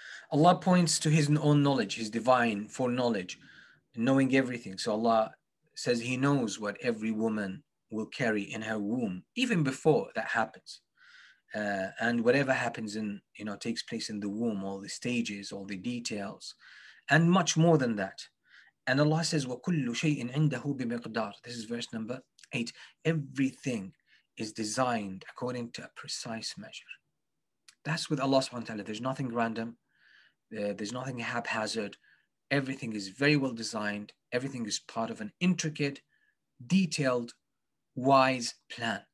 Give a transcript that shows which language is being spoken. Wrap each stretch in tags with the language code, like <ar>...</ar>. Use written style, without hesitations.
<en>Allah points to his own knowledge, his divine foreknowledge, knowing everything. So Allah says he knows what every woman will carry in her womb, even before that happens. And whatever happens in, you know, takes place in the womb, all the stages, all the details, and much more than that. And Allah says,</en> <ar>وَكُلُّ شَيْءٍ عِنْدَهُ بِمِقْدَارٍ.</ar> <en>This is verse number 8. Everything is designed according to a precise measure. That's with Allah subhanahu wa ta'ala. There's nothing random. There's nothing haphazard. Everything is very well designed. Everything is part of an intricate, detailed, wise plan.</en>